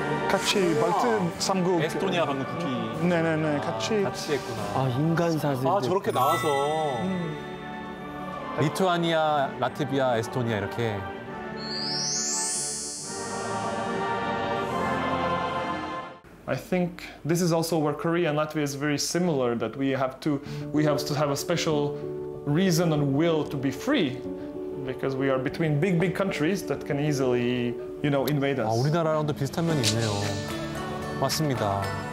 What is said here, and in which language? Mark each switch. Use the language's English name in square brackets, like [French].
[Korean] 같이 발트 3국 에스토니아 방금 국기. 네네네, 같이. 같이 했구나. 아, 인간 사진. 아, 저렇게 나와서. 리투아니아, 라트비아, 에스토니아 이렇게. [English] 아이 this is also where Korea and Latvia is very similar that we have to have a special reason and will to be free because we are between big, big countries that can easily, you know, invade us. [Korean] 아, 우리나라랑도 비슷한 면이 있네요. 맞습니다.